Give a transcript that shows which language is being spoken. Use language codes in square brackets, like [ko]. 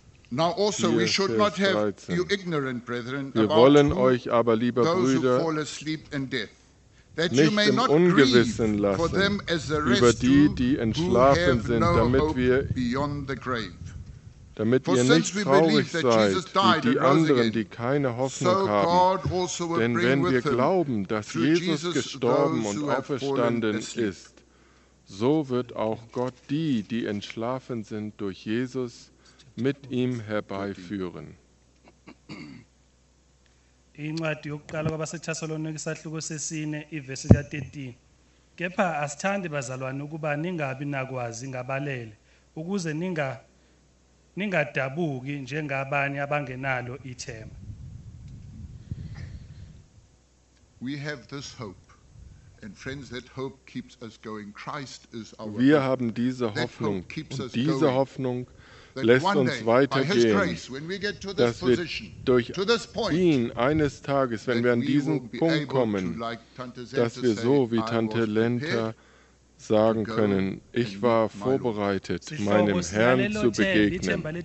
[en] Now also we should not have you ignorant brethren about those who fall asleep in death, that you may not grieve for them as the rest do, who have no hope beyond the grave. For since we believe that Jesus died and rose again, so God also will bring with him through Jesus those who have fallen asleep. [de] So wird auch Gott die, die entschlafen sind durch Jesus, mit ihm herbeiführen. [zu] Incwadi yokuqala kwabaseThessalonikisa hluko sesine iverse ya 13. Kepha asithandi bazalwane ukuba ningabi nakwazi ngabalele ukuze ninga ningadabuki njengabanye abangenalo ithemba. [en] We have this hope, and friends, that hope keeps us going. Christ is our hope. [de] Wir haben diese Hoffnung, und diese Hoffnung lässt uns weitergehen, dass wir durch ihn eines Tages, wenn wir an diesen Punkt kommen, dass wir so wie Tante Lenta sagen können, ich war vorbereitet, meinem Herrn zu begegnen.